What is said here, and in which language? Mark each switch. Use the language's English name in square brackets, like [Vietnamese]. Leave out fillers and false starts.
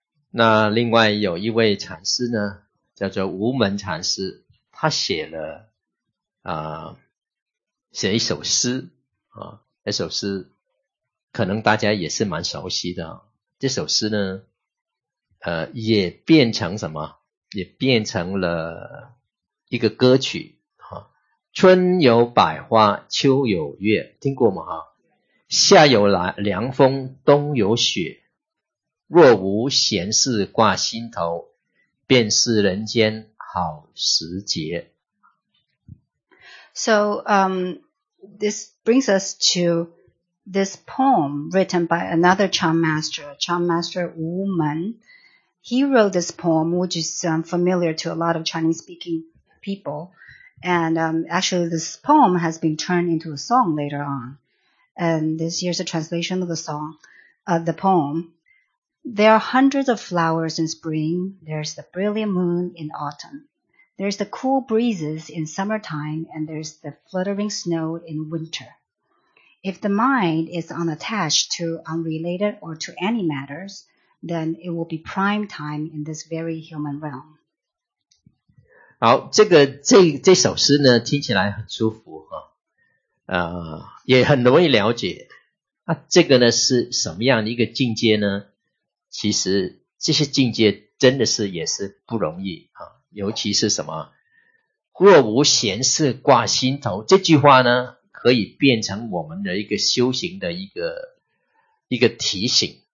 [Chinese] 那另外有一位禅师呢，叫做无门禅师，他写了写一首诗啊，那首诗可能大家也是蛮熟悉的。这首诗呢，也变成什么？也变成了一个歌曲。春有百花，秋有月，听过吗？夏有凉风，冬有雪，若无闲事挂心头，便是人间好时节。 [English] So, this brings us to this poem written by another Chan master, Chan master Wu Men. He wrote this poem, which is familiar to a lot of Chinese speaking people. And actually, this poem has been turned into a song later on. And this here's a translation of the song, the poem. There are hundreds of flowers in spring. There's the brilliant moon in autumn. There's the cool breezes in summertime. And there's the fluttering snow in winter. If the mind is unattached to unrelated or to any matters, then it will be prime time in this very human realm. [Chinese] 好，这首诗呢，听起来很舒服哈，也很容易了解。那这个呢是什么样的一个境界呢？其实这些境界真的是也是不容易啊，尤其是什么若无闲事挂心头这句话呢，可以变成我们的一个修行的一个提醒。